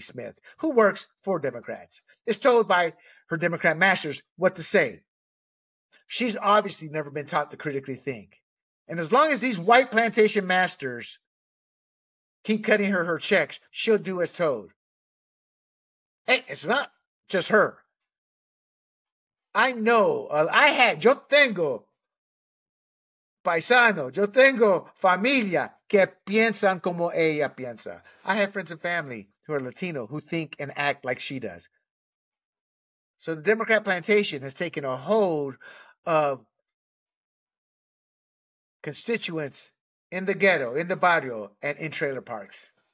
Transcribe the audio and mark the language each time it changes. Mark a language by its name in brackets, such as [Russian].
[English] Smith, who works for Democrats. Is told by her Democrat masters what to say. She's obviously never been taught to critically think. And as long as these white plantation masters keep cutting her checks, she'll do as told. Hey, it's not just her. I know, [Spanish] yo tengo familia que piensan como ella piensa. [English] I have friends and family who are Latino who think and act like she does. So the Democrat plantation has taken a hold of constituents in the ghetto, in the barrio, and in trailer parks.